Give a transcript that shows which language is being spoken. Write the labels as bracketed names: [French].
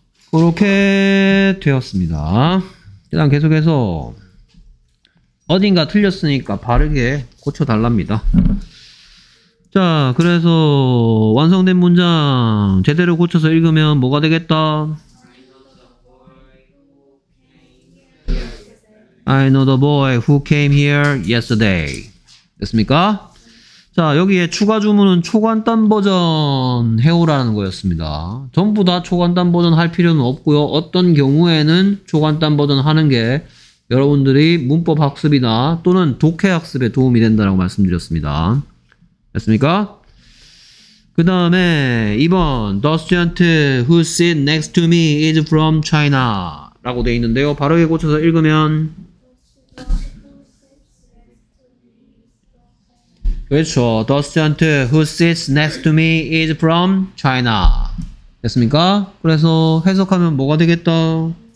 [Korean] 그렇게 되었습니다. 일단 계속해서 어딘가 틀렸으니까 바르게 고쳐달랍니다. 자, 그래서 완성된 문장 제대로 고쳐서 읽으면 뭐가 되겠다? [English] I know the boy who came here yesterday. [Korean] 됐습니까? 자, 여기에 추가 주문은 초간단 버전 해오라는 거였습니다. 전부 다 초간단 버전 할 필요는 없고요. 어떤 경우에는 초간단 버전 하는 게 여러분들이 문법 학습이나 또는 독해 학습에 도움이 된다고 말씀드렸습니다. 됐습니까? 그 다음에 2번 [English] The student who sit next to me is from China [Korean] 라고 돼 있는데요. 바르게 고쳐서 읽으면 그렇죠. [English] The student who sits next to me is from China. [Korean] 됐습니까? 그래서 해석하면 뭐가 되겠다?